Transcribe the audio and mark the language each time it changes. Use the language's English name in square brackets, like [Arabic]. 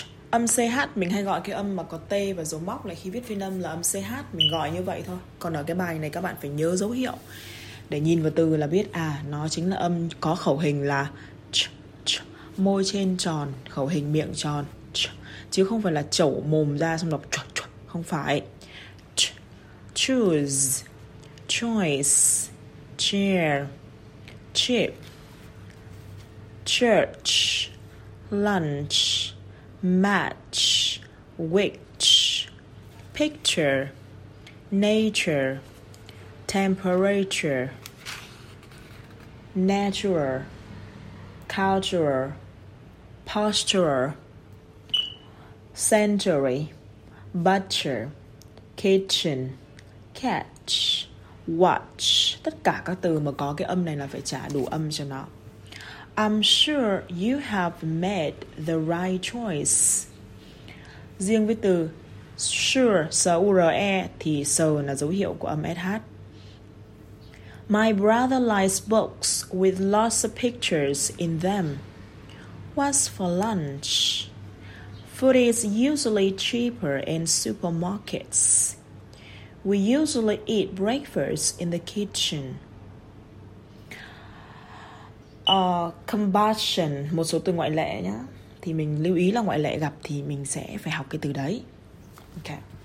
[Vietnamese] Âm CH mình hay gọi cái âm mà có T và dấu móc là khi viết phiên âm là âm CH, mình gọi như vậy thôi. Còn ở cái bài này các bạn phải nhớ dấu hiệu để nhìn vào từ là biết à nó chính là âm có khẩu hình là ch, ch, môi trên tròn, khẩu hình miệng tròn ch, chứ không phải là chẩu mồm ra xong đọc ch, ch, không phải. [English] Ch, choose, choice, chair, chip, church, lunch, match, which, picture, nature, temperature, natural, cultural, posture, century, butcher, kitchen, catch, watch. [Vietnamese] Tất cả các từ mà có cái âm này là phải trả đủ âm cho nó. [English] I'm sure you have made the right choice. [Vietnamese] Riêng với từ sure, S-U-R-E thì so là dấu hiệu của âm SH. [English] My brother likes books with lots of pictures in them. What's for lunch? Food is usually cheaper in supermarkets. We usually eat breakfast in the kitchen. [Vietnamese] Combustion, một số từ ngoại lệ nhá. Thì mình lưu ý là ngoại lệ gặp thì mình sẽ phải học cái từ đấy. Okay.